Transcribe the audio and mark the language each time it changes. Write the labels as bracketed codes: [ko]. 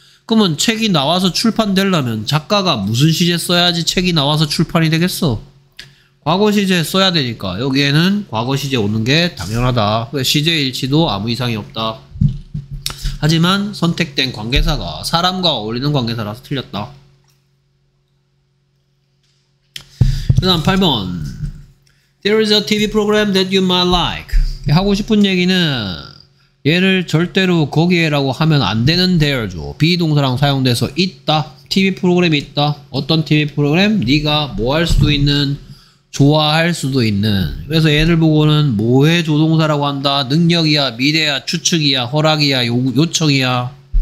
[ko] 그러면 책이 나와서 출판되려면 작가가 무슨 시제 써야지 책이 나와서 출판이 되겠어? 과거 시제 써야 되니까 여기에는 과거 시제 오는 게 당연하다. 시제 일치도 아무 이상이 없다. 하지만 선택된 관계사가 사람과 어울리는 관계사라서 틀렸다. 그 다음 8번. [en] There is a TV program that you might like. [ko] 하고 싶은 얘기는 얘를 절대로 거기에 라고 하면 안 되는 there죠. 비동사랑 사용돼서 있다. TV 프로그램이 있다. 어떤 TV 프로그램? 네가 뭐 할 수도 있는, 좋아할 수도 있는. 그래서 얘를 보고는 뭐의 조동사라고 한다. 능력이야, 미래야, 추측이야, 허락이야, 요청이야.